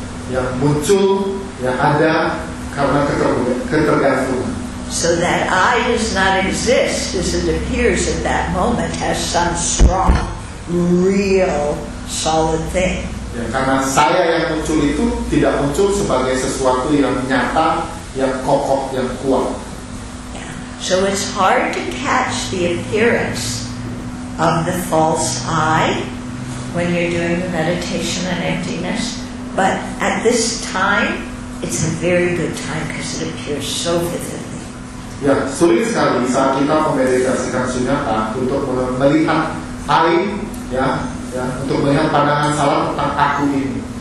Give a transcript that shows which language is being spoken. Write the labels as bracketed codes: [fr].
[id] Yang muncul, yang ada karena ketergantungan. [en] So that I does not exist as it appears at that moment as some strong, real, solid thing. [id] Ya, karena saya yang muncul itu tidak muncul sebagai sesuatu yang nyata, yang kokoh, yang kuat. [en] Yeah. So it's hard to catch the appearance of the false I when you're doing the meditation on emptiness. But at this time, it's a very good time because it appears so vividly. [id] Ya, sulit sekali saat kita memeditasikan sunyata untuk melihat I, ya, untuk melihat pandangan salah tentang aku ini.